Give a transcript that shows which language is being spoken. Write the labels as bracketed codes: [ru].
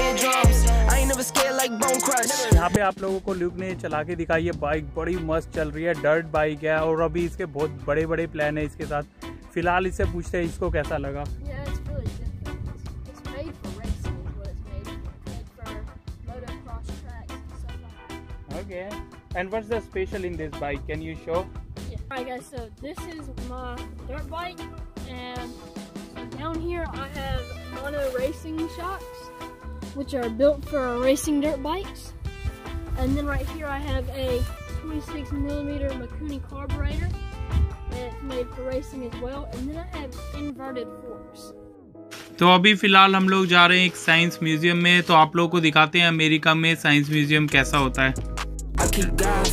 [hi] यहाँ पे आप लोगों को ल्यूक ने चला के दिखाई है बाइक, बड़ी मस्त चल रही है, डर्ट बाइक है, और अभी इसके बहुत बड़े बड़े प्लान है इसके साथ। फिलहाल इससे पूछते हैं इसको कैसा लगा। [en] Okay, and what's the special in this bike, can you show? Alright guys, so this is my dirt bike, and down here I have mono racing shocks, which are built for racing dirt bikes. And then right here I have a 26mm Makuni carburetor that's made for racing as well, and then I have inverted forks. [hi] तो अभी फिलहाल हम लोग जा रहे हैं एक science museum में, तो आप लोगों को दिखाते हैं अमेरिका में साइंस म्यूजियम कैसा होता है।